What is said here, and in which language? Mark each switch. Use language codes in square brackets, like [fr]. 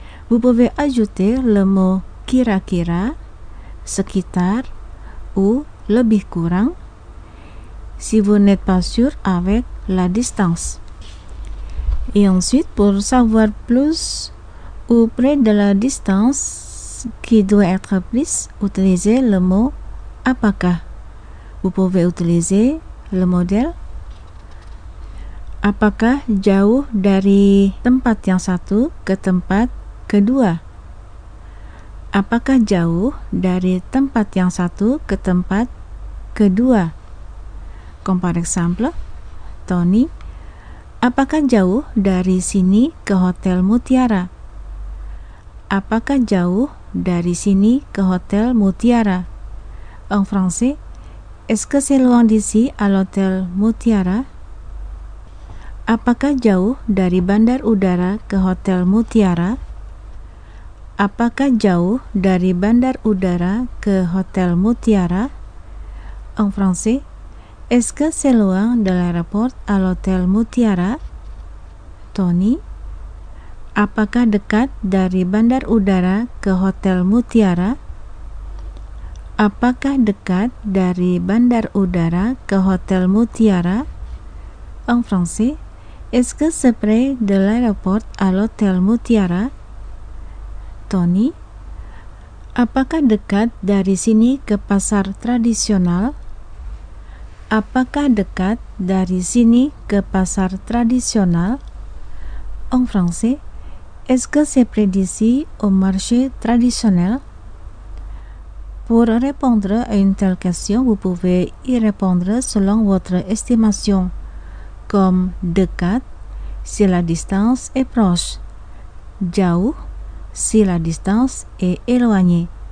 [fr] Vous pouvez ajouter le mot kira-kira, sekitar, ou lebih kurang, si vous n'êtes pas sûr avec la distance. Et ensuite, pour savoir plus ou près de la distance qui doit être prise, utilisez le mot apakah. Vous pouvez utiliser le modèle [id] apakah jauh dari tempat yang satu ke tempat kedua? Apakah jauh dari tempat yang satu ke tempat kedua? [fr] Comme par exemple, [id] Tony, apakah jauh dari sini ke Hotel Mutiara? Apakah jauh dari sini ke Hotel Mutiara? [fr] En français, est-ce que c'est loin d'ici à l'Hotel Mutiara? [id] Apakah jauh dari bandar udara ke Hotel Mutiara? Apakah jauh dari bandar udara ke Hotel Mutiara? [fr] En français, est-ce que c'est loin de l'aéroport à l'Hotel Mutiara? [id] Tony, apakah dekat dari bandar udara ke Hotel Mutiara? Apakah dekat dari bandar udara ke Hotel Mutiara? [fr] En français, est-ce que c'est près de l'aéroport à l'Hôtel Mutiara? [id] Tony, apakah dekat dari sini ke pasar tradisional? Apakah dekat dari sini ke pasar tradisional? [fr] En français, est-ce que c'est près d'ici au marché traditionnel? Pour répondre à une telle question, vous pouvez y répondre selon votre estimation, comme dekat, si la distance est proche. Jauh, si la distance est éloignée.